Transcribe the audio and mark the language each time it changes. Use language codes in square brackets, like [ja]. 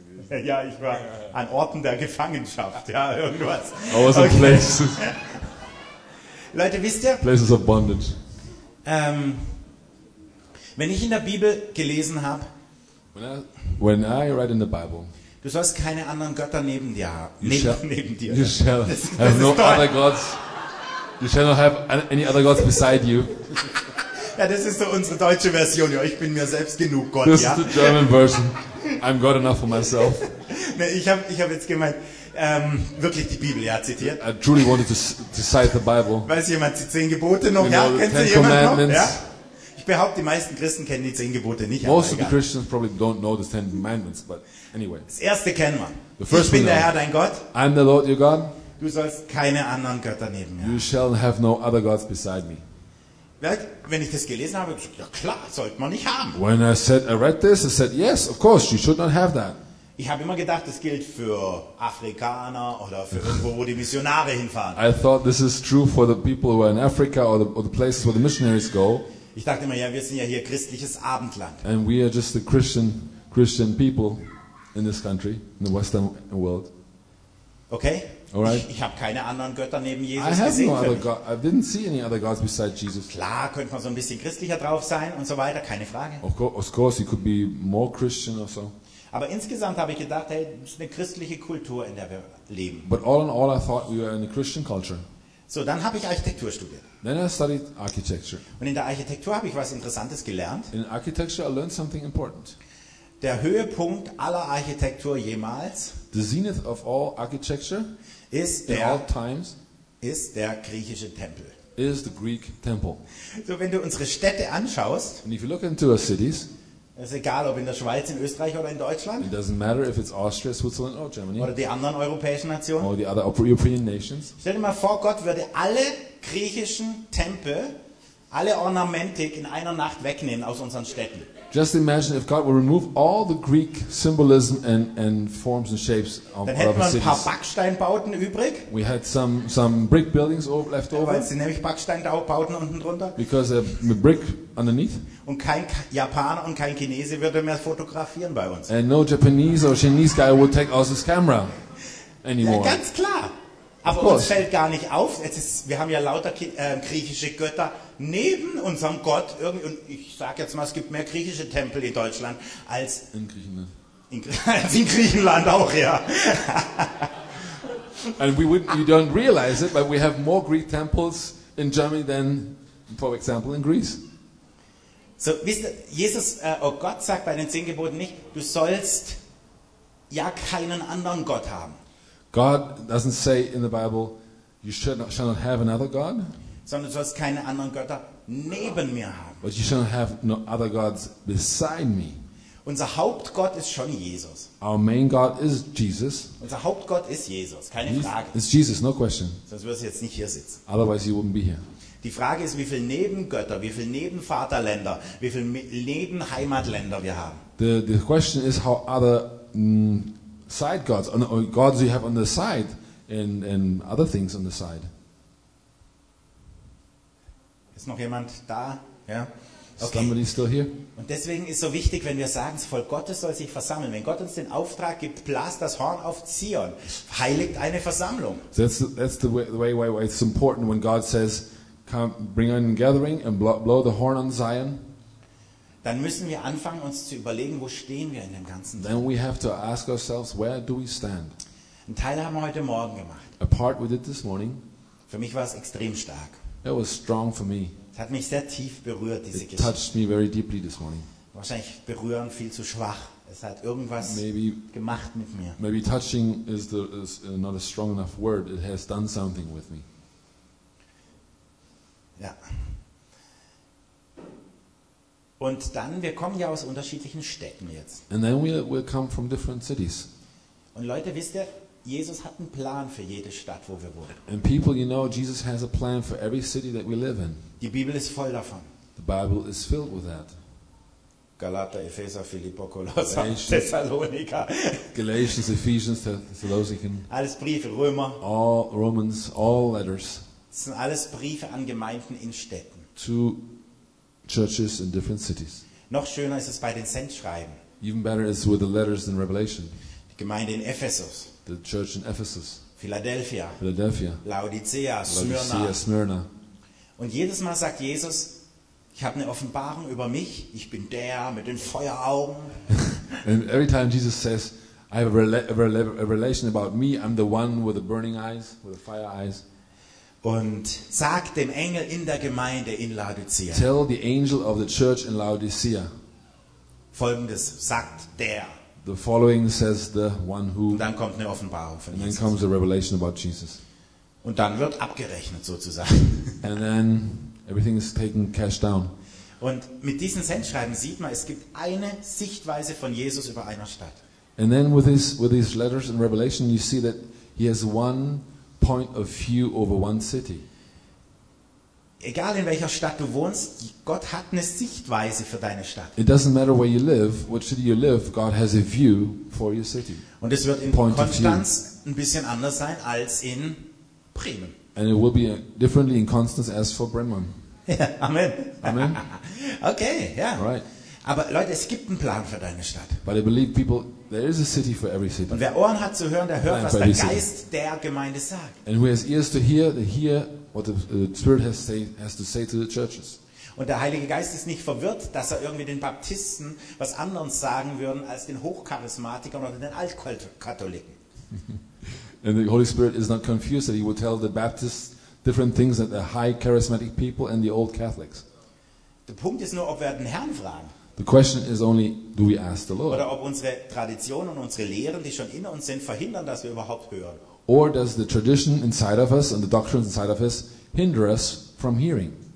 [de] Ja, ich war an Orten der Gefangenschaft, ja, irgendwas. [en] I was in places. [de] Leute, wisst ihr? [en] Places of bondage. [de] Wenn ich in der Bibel gelesen habe, [en] when I read in the Bible, [de] du sollst keine anderen Götter neben dir haben. [en] You shall have no other gods. You shall not have any other gods beside you. [de] Ja, das ist so unsere deutsche Version. Ja, ich bin mir selbst genug Gott. [en] This [de] ja. [en] is the German version. I'm God enough for myself. [de] Ne, ich hab jetzt gemeint, wirklich die Bibel, ja, zitiert. [en] I truly wanted to cite the Bible. [de] Weiß jemand die 10 Gebote noch? [en] You know, [de] ja, kennt sie jemand noch? Ja? Ich behaupte, die meisten Christen kennen die 10 Gebote nicht. [en] Most of the Christians probably don't know the 10 commandments, but anyway. [de] Das erste kennen wir. [en] The first [de] ich bin der Herr, dein Gott. [en] I'm the Lord, your God. [de] Du sollst keine anderen Götter neben mir. [en] You shall have no other gods beside me. [de] Wenn ich das gelesen habe, ich gesagt, ja klar, sollte man nicht haben. [en] When I said I read this, I said yes, of course, you should not have that. [de] Ich habe immer gedacht, das gilt für Afrikaner oder für irgendwo, wo die Missionare hinfahren. [en] I thought this is true for the people who are in Africa or the places where the missionaries go. [de] Ich dachte immer, ja, wir sind ja hier christliches Abendland. [en] And we are just the Christian people in this country, in the Western world. Okay. All right. [de] Ich habe keine anderen Götter neben Jesus [en] I didn't see any other gods beside Jesus. [de] Klar, könnte man so ein bisschen christlicher drauf sein und so weiter, keine Frage. [en] Of course, you could be more Christian or so. [de] Aber insgesamt habe ich gedacht, hey, es ist eine christliche Kultur, in der wir leben. [en] But all in all, I thought we were in a Christian culture. [de] So, dann habe ich Architektur studiert. [en] Then I studied architecture. [de] Und in der Architektur habe ich was Interessantes gelernt. [en] In architecture, I learned something important. [de] Der Höhepunkt aller Architektur jemals. [en] The zenith of all architecture. [de] Ist der, [en] in all times, [de] ist der griechische Tempel. [en] Is the Greek temple. [de] So, wenn du unsere Städte anschaust, [en] and if you look into our cities, [de] ist egal, ob in der Schweiz, in Österreich oder in Deutschland, [en] it doesn't matter if it's Austria, Switzerland or Germany, [de] oder die anderen europäischen Nationen, [en] or the other European nations, [de] stell dir mal vor, Gott würde alle griechischen Tempel, alle Ornamentik in einer Nacht wegnehmen aus unseren Städten. [en] Just imagine if God will remove all the Greek symbolism and forms and shapes of our cities. [de] Dann hätten wir ein paar Backsteinbauten übrig. [en] We had some brick buildings left over. [de] Weil es sind nämlich Backsteinbauten unten drunter. [en] Because a brick underneath. [de] Und kein Japaner und kein Chinese würde mehr fotografieren bei uns. [en] And no Japanese or Chinese guy would take us his camera anymore. [de] Ja, ganz klar. Aber uns fällt gar nicht auf. Wir haben ja lauter griechische Götter neben unserem Gott. Und ich sage jetzt mal, es gibt mehr griechische Tempel in Deutschland als in Griechenland. In Griechenland auch, ja. [en] And you don't realize it, but we have more Greek temples in Germany than, for example, in Greece. [de] So, wisst ihr, Jesus, Gott sagt bei den 10 Geboten nicht, du sollst ja keinen anderen Gott haben. [en] God doesn't say in the Bible, you shall not have another God. [de] Sondern du sollst keine anderen Götter neben mir haben. [en] But you shall not have no other gods beside me. [de] Unser Hauptgott ist schon Jesus. [en] Our main God is Jesus. [de] Unser Hauptgott ist Jesus, keine Frage. [en] It's Jesus, no question. [de] Sonst würdest du jetzt nicht hier sitzen. [en] Otherwise you wouldn't be here. [de] Die Frage ist, wie viele Nebengötter, wie viele Nebenvaterländer, wie viele Nebenheimatländer wir haben. [en] The question is how other side gods, or gods you have on the side, and other things on the side. [de] Ist noch jemand da? Ja. [en] Okay. Somebody still here? [de] Und deswegen ist so wichtig, wenn wir sagen, das Volk Gottes soll sich versammeln. Wenn Gott uns den Auftrag gibt, blast das Horn auf Zion, heiligt eine Versammlung. [en] So that's the way it's important when God says, come, bring in a gathering and blow the horn on Zion. [de] Dann müssen wir anfangen, uns zu überlegen, wo stehen wir in dem ganzen [en] Then we have to ask ourselves, where do we stand? [de] Ein Teil haben wir heute Morgen gemacht. [en] A part we did this morning. [de] Für mich war es extrem stark. [en] It was strong for me. [de] Es hat mich sehr tief berührt, diese [en] It [de] Geschichte. [en] It touched me very deeply this morning. [de] Wahrscheinlich berühren viel zu schwach. Es hat irgendwas [en] maybe, [de] gemacht mit mir. [en] Maybe touching is not a strong enough word. It has done something with me. [de] Ja. Und dann, wir kommen ja aus unterschiedlichen Städten jetzt. [en] And then we'll come from different cities. [de] Und Leute, wisst ihr, Jesus hat einen Plan für jede Stadt, wo wir wohnen. [en] And people, you know, Jesus has a plan for every city that we live in. [de] Die Bibel ist voll davon. [en] The Bible is filled with that. [de] Galater, Epheser, Philippo, Kolosser, Thessalonica. [en] Galatians, Ephesians, Thessalonica. [de] Alles Briefe, Römer. [en] All Romans, all letters. [de] Das sind alles Briefe an Gemeinden in Städten. [en] To churches in different cities. [de] Noch schöner ist es bei den Sendschreiben. [en] Even better is with the letters in Revelation. [de] Gemeinde in Ephesus. [en] The church in Ephesus. [de] Philadelphia. [en] Philadelphia. [de] Laodicea, Smyrna. [en] Laodicea, Smyrna. [de] Und jedes Mal sagt Jesus, ich habe eine Offenbarung über mich, ich bin der mit den Feueraugen. [en] And every time Jesus says, I have a revelation about me, I'm the one with the burning eyes, with the fire eyes. [de] Und sagt dem Engel in der Gemeinde in Laodicea. [en] Tell the angel of the church in Laodicea. [de] Folgendes sagt der. [en] The following says the one who. [de] Und dann kommt eine Offenbarung von [en] Jesus. And then comes a revelation about Jesus. [de] Und dann wird abgerechnet sozusagen. [en] And then everything is taken cash down. [de] Und mit diesen Sendschreiben sieht man, es gibt eine Sichtweise von Jesus über einer Stadt. [en] And then with these letters and revelation, you see that he has one point of view over one city. [de] Egal in welcher Stadt du wohnst, Gott hat eine Sichtweise für deine Stadt. [en] It doesn't matter where you live, what city you live, God has a view for your city. [de] Und es wird in point Konstanz ein bisschen anders sein als in Bremen. [en] And it will be differently in Konstanz as for Bremen. [de] Ja, Amen. [en] Amen. [de] Okay, ja. [en] Right. [de] Aber Leute, es gibt einen Plan für deine Stadt. [en] But I believe people, there is a city for every city. [de] Und wer Ohren hat zu hören, der hört, was der Geist der Gemeinde sagt. [en] And who has ears to hear, they hear what the Spirit has to say to the churches. [de] Und der Heilige Geist ist nicht verwirrt, dass er irgendwie den Baptisten was anderes sagen würden als den Hochcharismatikern oder den Altkatholiken. [en] And the Holy Spirit is not confused that he would tell the Baptists different things than the high charismatic people and the old Catholics. [de] Der Punkt ist nur, ob wir den Herrn fragen. [en] The question is only, do we ask the Lord? [de] Oder ob unsere Traditionen und unsere Lehren, die schon in uns sind, verhindern, dass wir überhaupt hören. [en] Or does the tradition inside of us and the doctrines inside of us hinder us from hearing?